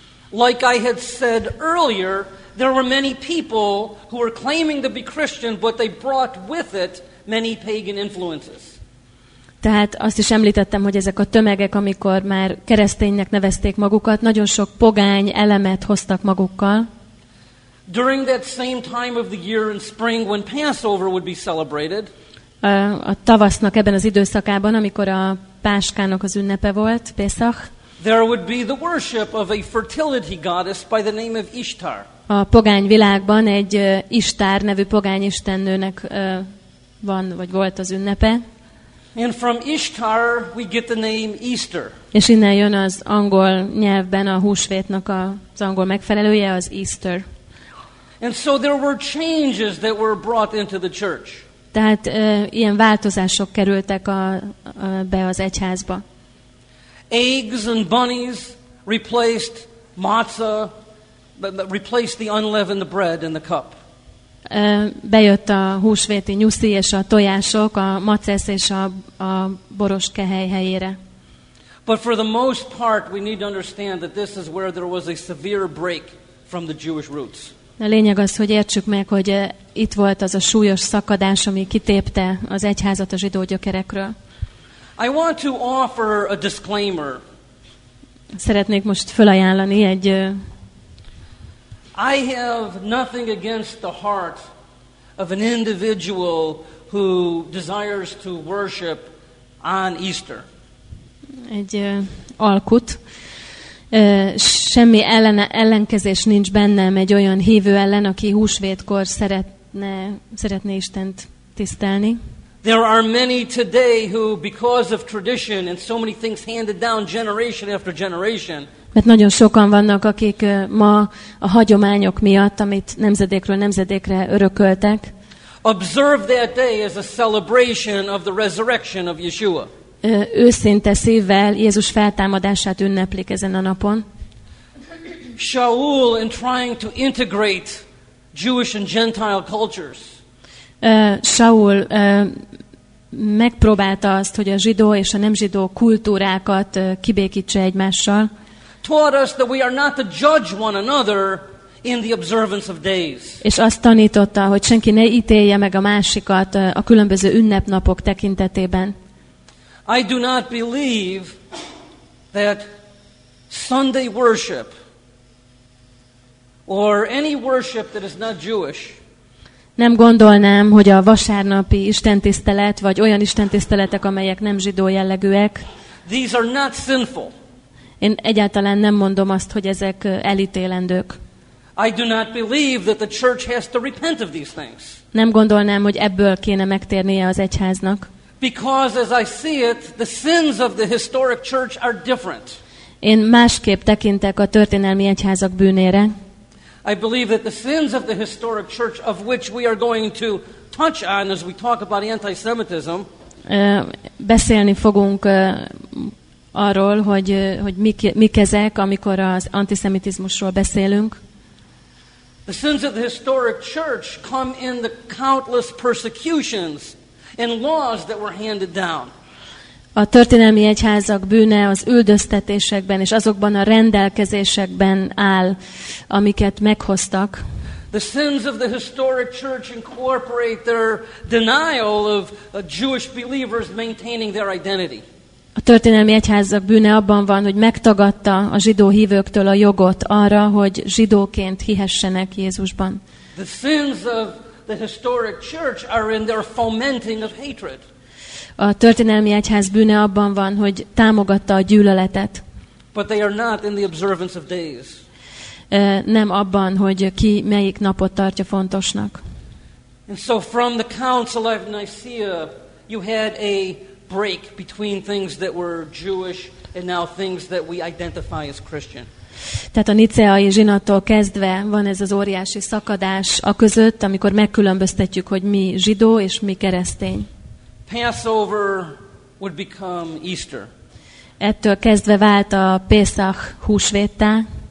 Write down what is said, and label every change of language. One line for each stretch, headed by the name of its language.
English: Like I had said earlier, there were many people who were claiming to be Christian, but they brought with it many pagan influences.
Hungarian: Tehát azt is említettem, hogy ezek a tömegek, amikor már kereszténynek nevezték magukat, nagyon sok pogány elemet hoztak magukkal.
English: During that same time of the year in spring when Passover would be celebrated,
Hungarian: a tavasznak ebben az időszakában, amikor a Páskának az ünnepe volt, Pészak,
English: there would be the worship of a fertility goddess by the name of Ishtar.
Hungarian: A pogány világban egy Ishtar nevű pogány istennőnek van vagy volt az ünnepe.
English: And from Ishtar we get the name Easter.
Hungarian: És innen jön az angol nyelvben a húsvétnak az angol megfelelője, az Easter.
English: And so there were changes that were brought into the church.
Hungarian: Tehát ilyen változások kerültek be az egyházba.
English: Eggs and bunnies replaced matzah, replaced the unleavened bread in the cup.
Hungarian: Bejött a húsvéti nyuszi és a tojások, a macesz és a boros kehely helyére.
English: But for the most part we need to understand that this is where there was a severe break from the Jewish roots.
Hungarian: A lényeg az, hogy értsük meg, hogy itt volt az a súlyos szakadás, ami kitépte az egyházat a zsidó gyökerekről.
English: I want to offer a disclaimer.
Hungarian: Szeretnék most felajánlani egy...
English: I have nothing against the heart of an individual who desires to worship on Easter.
Hungarian: Egy alkut. Semmi ellenkezés nincs bennem egy olyan hívő ellen, aki húsvétkor szeretné Istent tisztelni.
English: There are many today who, because of tradition and so many things handed down generation after generation,
Hungarian: mert nagyon sokan vannak, akik ma a hagyományok miatt, amit nemzedékről nemzedékre örököltek,
English: observe that day as a celebration of the resurrection of Yeshua.
Hungarian: Őszinte szívvel Jézus feltámadását ünneplik ezen a napon.
English: Shaul, in trying to integrate Jewish and Gentile cultures.
Hungarian: Shaul megpróbálta azt, hogy a zsidó és a nem zsidó kultúrákat kibékítse egymással.
English: Taught us that we are not to judge one another in the observance of days.
Hungarian: És azt tanította, hogy senki ne ítélje meg a másikat a különböző ünnepnapok tekintetében.
English: I do not believe that Sunday worship or any worship that is not Jewish.
Hungarian: Nem gondolnám, hogy a vasárnapi istentisztelet vagy olyan istentiszteletek, amelyek nem zsidó jellegűek.
English: These are not sinful.
Hungarian: Én egyáltalán nem mondom azt, hogy ezek elítélendők.
English: I do not believe that the church has to repent of these things.
Hungarian: Nem gondolnám, hogy ebből kéne megtérnie az egyháznak.
English: Because as I see it, the sins of the historic church are different.
Hungarian: Én másképp tekintek a történelmi egyházak bűnére.
English: I believe that the sins of the historic church, of which we are going to touch on as we talk about antisemitism,
Hungarian: beszélni fogunk arról, hogy mik ezek, amikor az antiszemitizmusról beszélünk.
English: The sins of the historic church come in the countless persecutions and laws that were handed down.
Hungarian: A történelmi egyházak bűne az üldöztetésekben és azokban a rendelkezésekben áll, amiket meghoztak.
English: The sins of the historic church incorporate their denial of Jewish believers maintaining their identity.
Hungarian: A történelmi egyházak bűne abban van, hogy megtagadta a zsidó hívőktől a jogot arra, hogy zsidóként hihessenek Jézusban.
English: The sins of the historic church are in their fomenting of hatred.
Hungarian: A történelmi egyház bűne abban van, hogy támogatta a gyűlöletet.
English: But they are not in the observance of days.
Hungarian: nem abban, hogy ki melyik napot tartja fontosnak.
English: And so from the Council of Nicaea, you had a break between things that were Jewish and now things that we identify as Christian.
Hungarian: Tehát a niceai zsinattól kezdve van ez az óriási szakadás a között, amikor megkülönböztetjük, hogy mi zsidó és mi keresztény.
English: Passover would become Easter.
Hungarian: Ettől kezdve vált a Pészach húsvétté.